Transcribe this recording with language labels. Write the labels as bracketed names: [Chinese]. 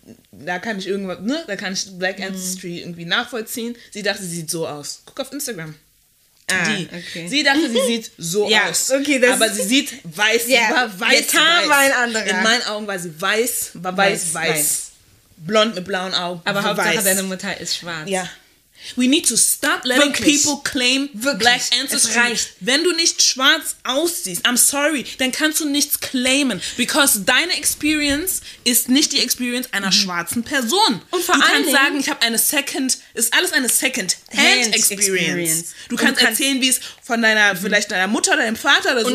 [German] Da kann ich irgendwas, ne? Da kann ich Black Ancestry irgendwie nachvollziehen. Sie dachte, sie sieht so aus. Guck auf Instagram. Sie dachte, sie sieht so aus. Okay, aber sie sieht weiß. Ja, war weiß. Der Tarn weiß. War ein anderer. In meinen Augen war sie weiß, war weiß, weiß. Weiß. Blond mit blauen Augen. Aber Hauptsache, weiß. Deine Mutter ist schwarz. Ja. [English] We need to stop letting people claim Black Ancestry. [German] Wenn du nicht schwarz aussiehst, [English] I'm sorry, [German] dann kannst du nichts claimen. Because deine Experience ist nicht die Experience einer schwarzen Person. Und vor allem. Du kannst sagen, ich habe eine Second, ist alles eine Second-Hand Experience. Du kannst erzählen, wie es von deiner, vielleicht deiner Mutter oder deinem Vater oder so